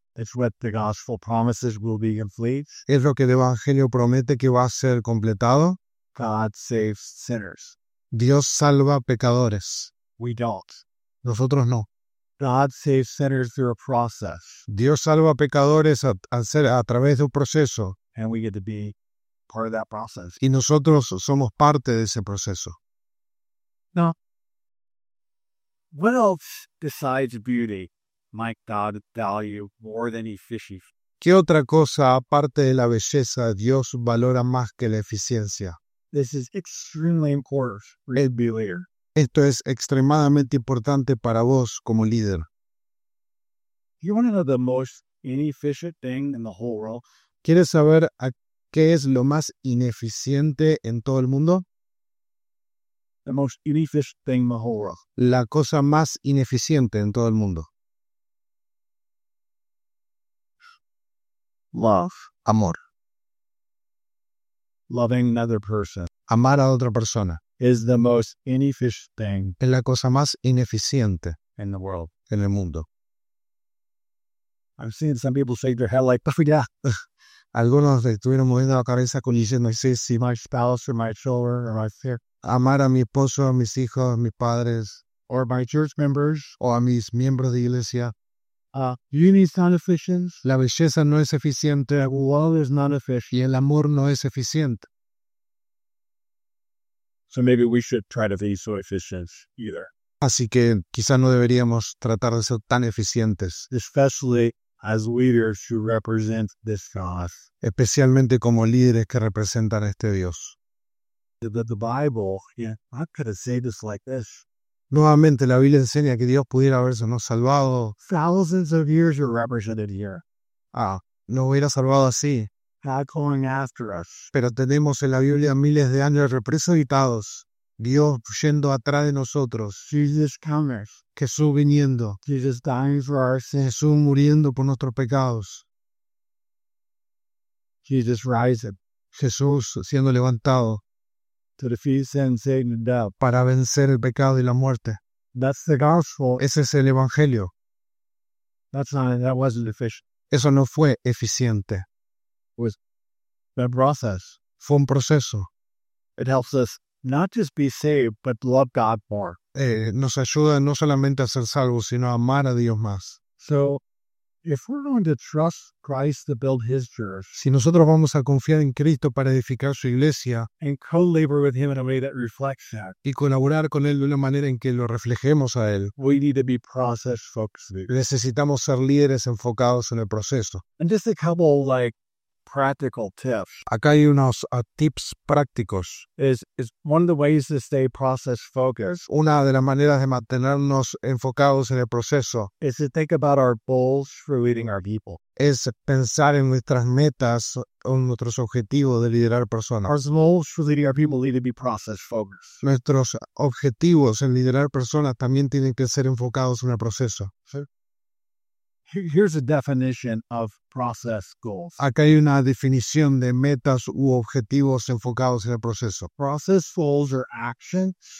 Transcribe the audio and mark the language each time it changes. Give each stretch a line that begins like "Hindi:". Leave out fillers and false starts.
English: It's what the gospel promises will be complete.
Spanish: Es lo que el evangelio promete que va a ser completado.
English: God saves sinners.
Spanish: Dios salva pecadores.
English: We don't.
Spanish: Nosotros no.
English: God saves sinners through a process.
Spanish: Dios salva pecadores a través de un proceso.
English: And we get to be part of that process.
Spanish: Y nosotros somos parte de ese proceso.
English: Now, what else besides beauty might God value more than efficiency?
Spanish: ¿Qué otra cosa aparte de la belleza Dios valora más que la eficiencia?
English: This is extremely important for you to be a leader.
Spanish: Esto es extremadamente importante para vos como líder.
English: You want to know the most inefficient thing in the whole world?
Spanish: ¿Quieres saber qué es lo más ineficiente en todo el mundo?
English: The most inefficient thing in the whole world.
Spanish: La cosa más ineficiente en todo el mundo.
English: Love.
Spanish: Amor.
English: Loving another person.
Spanish: Amar a otra persona.
English: Is the most inefficient thing.
Spanish: Es la cosa más ineficiente.
English: In the world.
Spanish: En el mundo.
English: I've seen some people shake their head like, puff it out.
Spanish: Algunos estuvieron moviendo la cabeza con diciendo, sí.
English: My spouse or my children or my fear.
Spanish: Amar a mi esposo, a mis hijos, a mis padres.
English: Or my church members.
Spanish: O a mis miembros de iglesia.
English: Beauty is not efficient.
Spanish: La belleza no es eficiente.
English: Love is not efficient.
Spanish: Y el amor no es eficiente.
English: So maybe we should try to be so efficient either.
Spanish: Así que quizá no deberíamos tratar de ser tan eficientes.
English: Especially as leaders who represent this God.
Spanish: Especialmente como líderes que representan este Dios.
English: The Bible, yeah, how could it say this like this?
Spanish: Nuevamente, la Biblia enseña que Dios pudiera haberse nos salvado.
English: Thousands of years are represented here.
Spanish: Ah, nos hubiera salvado así.
English: God calling after us.
Spanish: Pero tenemos en la Biblia miles de años representados. Dios yendo atrás de nosotros.
English: Jesus coming.
Spanish: Jesús viniendo.
English: Jesus dying for our sins.
Spanish: Jesús muriendo por nuestros pecados.
English: Jesus rising.
Spanish: Jesús siendo levantado.
English: To defeat sin, Satan, and death.
Spanish: Para vencer el pecado y la muerte.
English: That's the gospel.
Spanish: Ese es el evangelio.
English: That wasn't efficient.
Spanish: Eso no fue eficiente.
English: It was a process.
Spanish: Fue un proceso.
English: It helps us not just be saved, but love God more.
Spanish: Nos ayuda no solamente a ser salvos, sino a amar a Dios más.
English: So, if we're going to trust Christ to build His church,
Spanish: si nosotros vamos a confiar en Cristo para edificar su iglesia,
English: and co-labor with Him in a way that reflects that,
Spanish: y colaborar con él de una manera en que lo reflejemos a él,
English: we need to be process-focused.
Spanish: Necesitamos ser líderes enfocados en el proceso.
English: And just a couple like practical tips.
Spanish: Acá hay unos tips prácticos.
English: Is one of the ways to stay process-focused.
Spanish: Una de las maneras de mantenernos enfocados en el proceso.
English: Is to think about our goals for leading our people.
Spanish: Es pensar en nuestras metas o nuestros objetivos de liderar personas.
English: Our goals for leading our people need to be process-focused.
Spanish: Nuestros objetivos en liderar personas también tienen que ser enfocados en el proceso. Sí.
English: Here's a definition of process goals.
Spanish: Acá hay una definición de metas u objetivos enfocados en el proceso.
English: Process goals are actions.